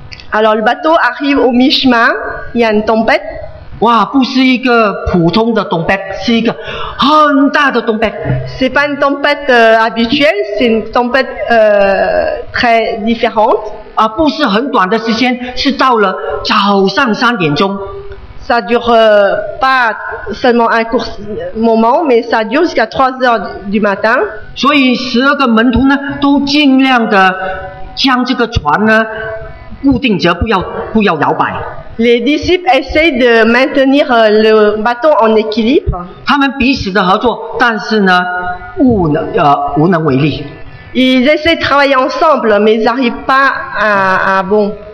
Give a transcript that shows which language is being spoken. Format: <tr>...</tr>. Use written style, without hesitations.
<fr>Alors le bateau arrive au mi-chemin, il y a une tempête.</fr> <zh>哇，不是一个普通的tempête，是一个很大的tempête。</zh> <fr>C'est pas une tempête habituelle, c'est une tempête très différente.</fr> <zh>啊，不是很短的时间，是到了早上3点钟。</zh> <fr>Ça dure pas seulement un court moment, mais ça dure jusqu'à 3 heures du matin.</fr> <zh>所以12个门徒呢，都尽量的将这个船呢固定着，不要摇摆。</zh> <fr>Les disciples essayent de maintenir le bateau en équilibre.</fr> <zh>他们彼此的合作，但是呢，无能为力。</zh> <fr>Ils essayent de travailler ensemble, mais ils n'arrivent pas à bon.</fr>